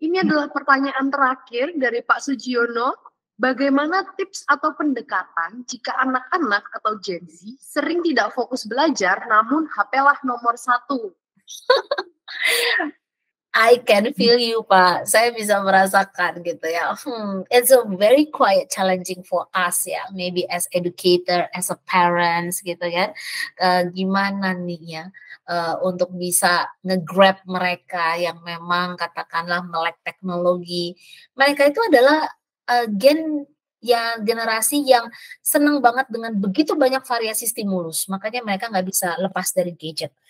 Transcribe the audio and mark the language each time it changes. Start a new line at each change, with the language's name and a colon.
Indonesian: Ini adalah pertanyaan terakhir dari Pak Sujiono. Bagaimana tips atau pendekatan jika anak-anak atau Gen Z sering tidak fokus belajar namun HP-lah nomor satu?
English: I can feel you, Pak.
Indonesian: Saya bisa merasakan gitu ya.
English: It's a very quiet challenging for us ya. Maybe as educator, as a parents gitu ya.
Indonesian: Gimana nih ya untuk bisa nge-grab mereka yang memang katakanlah melek teknologi. Mereka itu adalah gen yang generasi yang senang banget dengan begitu banyak variasi stimulus, makanya mereka nggak bisa lepas dari gadget.